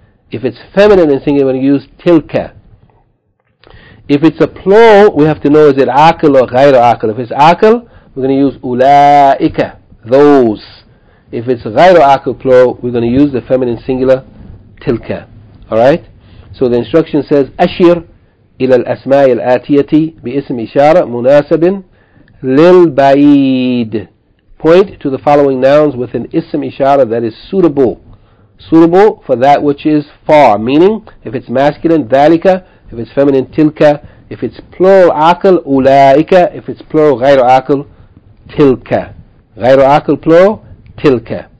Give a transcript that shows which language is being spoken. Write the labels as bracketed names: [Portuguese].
[English] If it's feminine and singular, we're going to use tilka. If it's a plural, we have to know, is it akil or ghayra akil? If it's akil, we're going to use ula'ika, those. If it's ghayra akil plural, we're going to use the feminine singular, tilka. Alright? So the instruction says, [Arabic] أشير إلى الأسماء الآتية بإسم إشارة مناسب للبعيد. [English] Point to the following nouns with an ism ishara that is suitable. Suitable for that which is far. Meaning, if it's masculine, ذلك. If it's feminine, تلك. If it's plural, أكل, أولئك. If it's plural, غير أكل, تلك. [Arabic] غير أكل, plural, تلك.